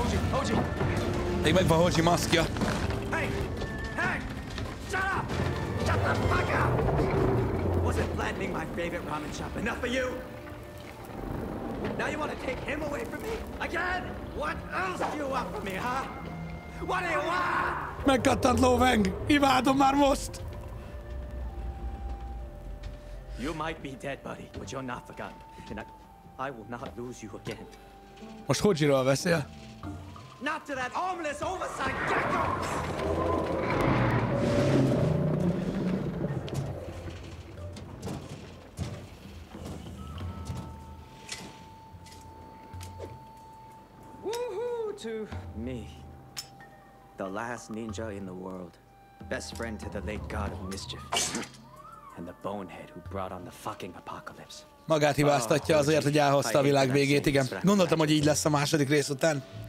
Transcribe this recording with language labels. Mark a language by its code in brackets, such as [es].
[hu] Hoji! Még megvan Hoji maszkja. [en] Hey! Hey! Shut up! Shut the fuck up! Wasn't flattening my favorite ramen shop enough for you? Now you want to take him away from me? Again? What else do you want from me, huh? What do you want? [hu] Megkattant Lóveng! Imádom már most! [en] You might be dead, buddy, but you're not forgotten. And I will not lose you again. [hu] Most Hojiról beszél? [en] Not to that harmless oversight gecko! Woohoo to me. The last ninja in the world. Best friend to the late god of mischief. And the bonehead who brought on the fucking apocalypse. [hu] Magát hibáztatja azért, hogy elhozta a világ végét, igen. Gondoltam, hogy így lesz a második rész után.